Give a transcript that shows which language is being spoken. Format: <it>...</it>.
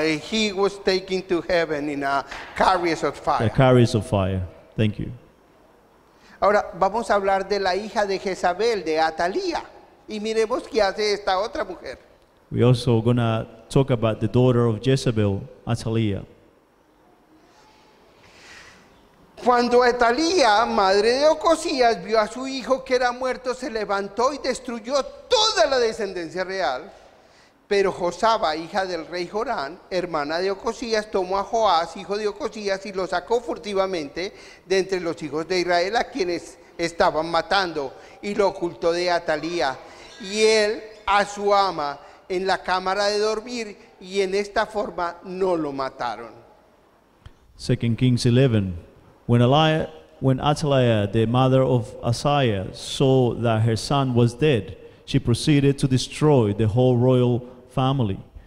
<en>he was taken to heaven in a carriage of fire. A carriage of fire. Thank you.</en> <es>Ahora vamos a hablar de la hija de Jezabel, de Atalía, y miremos qué hace esta otra mujer.</es> <en>We also gonna talk about the daughter of Jezebel, Atalía.</en> <es>Cuando Atalía, madre de Ocosías, vio a su hijo que era muerto, se levantó y destruyó toda la descendencia real. Pero Josaba, hija del rey Jorán, hermana de Ocosías, tomó a Joás, hijo de Ocosías, y lo sacó furtivamente de entre los hijos de Israel a quienes estaban matando, y lo ocultó de Atalía y él a su ama en la cámara de dormir, y en esta forma no lo mataron.</es> <en>2 Kings 11. When Athaliah, the mother of Asaiah, saw that her son was dead, she proceeded to destroy the whole royal family.</en>